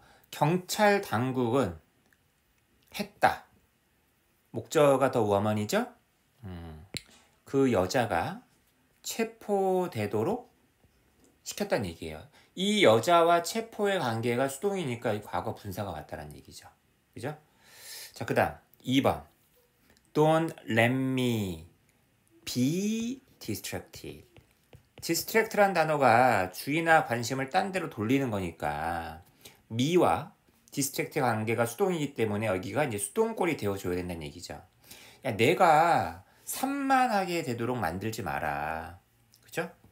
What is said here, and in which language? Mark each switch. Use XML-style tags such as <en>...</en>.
<ko>경찰 당국은 했다. 목적어가 더 워먼이죠? 그 여자가 체포되도록 시켰다는 얘기예요. 이 여자와 체포의 관계가 수동이니까 과거 분사가 왔다는 얘기죠. 그죠? 자, 그 다음 2번</ko> <en>Don't let me be distracted.</en> <ko>Distract란 단어가 주의나 관심을 딴 데로 돌리는 거니까 me와 distract의 관계가 수동이기 때문에 여기가 이제 수동꼴이 되어줘야 된다는 얘기죠. 야, 내가 산만하게 되도록 만들지 마라. 그죠?</ko>